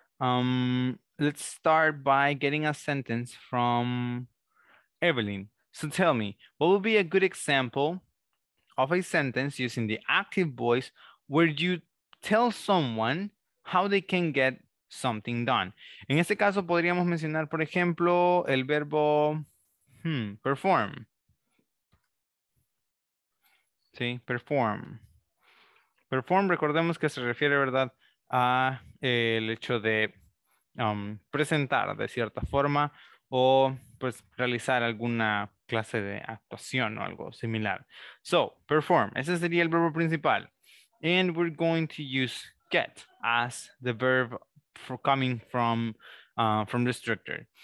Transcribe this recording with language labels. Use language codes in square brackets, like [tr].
[en] Let's start by getting a sentence from Evelyn. So tell me, what would be a good example of a sentence using the active voice where you tell someone how they can get something done? [es] En este caso, podríamos mencionar, por ejemplo, el verbo perform. Sí, perform. Perform, recordemos que se refiere, ¿verdad?, a el hecho de presentar de cierta forma o pues realizar alguna clase de actuación o algo similar. So, perform, ese sería el verbo principal. [en] And we're going to use get as the verb for coming from the structure.